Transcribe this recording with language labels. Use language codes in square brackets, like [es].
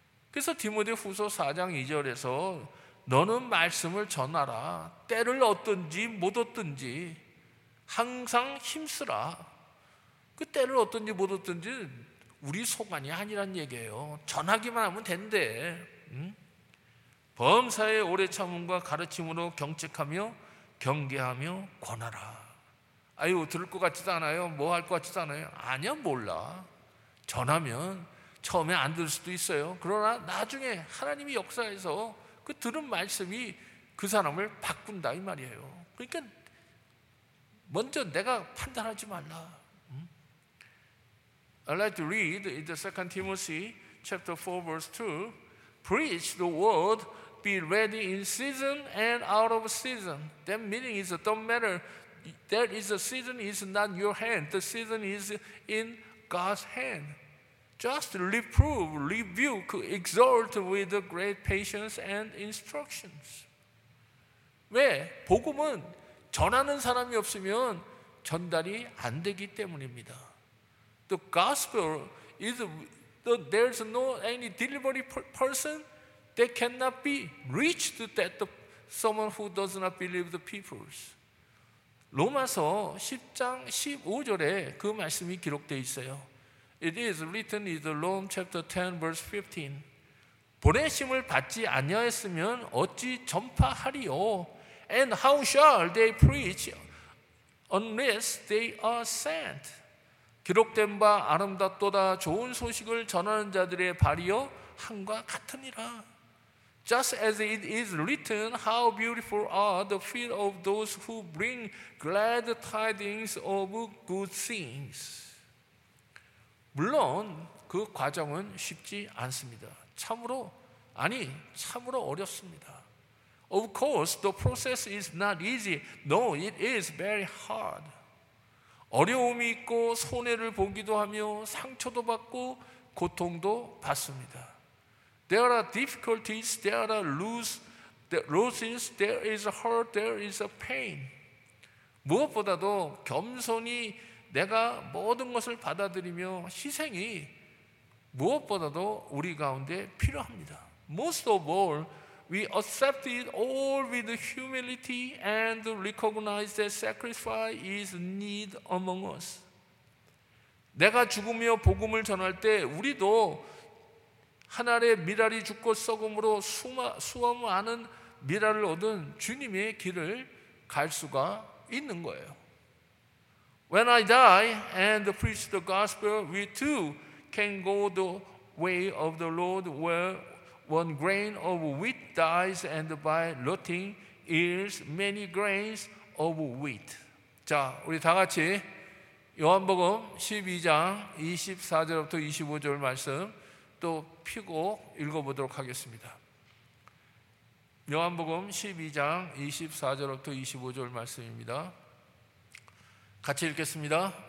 [ko] 그래서 디모데 후서 4장 2절에서 너는 말씀을 전하라. 때를 얻든지 못 얻든지 항상 힘쓰라. 그 때를 얻든지 못 얻든지 우리 소관이 아니란 얘기예요. 전하기만 하면 된대. 범사에 오래 참음과 가르침으로 경책하며 경계하며 권하라. 아유, 들을 것 같지도 않아요. 뭐 할 것 같지도 않아요. 아니야, 몰라. 전하면 처음에 안 들을 수도 있어요. 그러나 나중에 하나님이 역사해서 그 들은 말씀이 그 사람을 바꾼다 이 말이에요. 그러니까 먼저 내가 판단하지 말라. [en] I'd like to read in the 2 Timothy chapter 4 verse 2. Preach the word, be ready in season and out of season. That meaning is don't matter. There is a season is not your hand. The season is in God's hand. Just reprove, rebuke, exhort with great patience and instructions. [ko] 왜? 복음은 전하는 사람이 없으면 전달이 안 되기 때문입니다. [en] The gospel is there's no any delivery person that cannot be reached that someone who does not believe the peoples. [ko] 로마서 10장 15절에 그 말씀이 기록되어 있어요. [en] It is written in the Rome chapter 10 verse 15. [ko] 보내심을 받지 아니하였으면 어찌 전파하리요? [en] And how shall they preach unless they are sent? [ko] 기록된 바 아름답도다 좋은 소식을 전하는 자들의 발이여 한과 같으니라. [en] Just as it is written, how beautiful are the feet of those who bring glad tidings of good things. [ko] 물론 그 과정은 쉽지 않습니다. 참으로 어렵습니다. [en] Of course, the process is not easy. No, it is very hard. [ko] 어려움이 있고 손해를 보기도 하며 상처도 받고 고통도 받습니다. [en] There are difficulties, there are losses, there is hurt, there is pain. [ko] 무엇보다도 겸손히 내가 모든 것을 받아들이며 희생이 무엇보다도 우리 가운데 필요합니다. [en] Most of all, we accept it all with humility and recognize that sacrifice is need among us. [ko] 내가 죽으며 복음을 전할 때 우리도 한 알의 밀알이 죽고 썩음으로 수많은 밀알을 얻은 주님의 길을 갈 수가 있는 거예요. [en] When I die and preach the gospel, we too can go the way of the Lord where one grain of wheat dies and by rotting is many grains of wheat. [ko] 자, 우리 다 같이 요한복음 12장 24절부터 25절 말씀 또 펴고 읽어보도록 하겠습니다. 요한복음 12장 24절부터 25절 말씀입니다. 같이 읽겠습니다.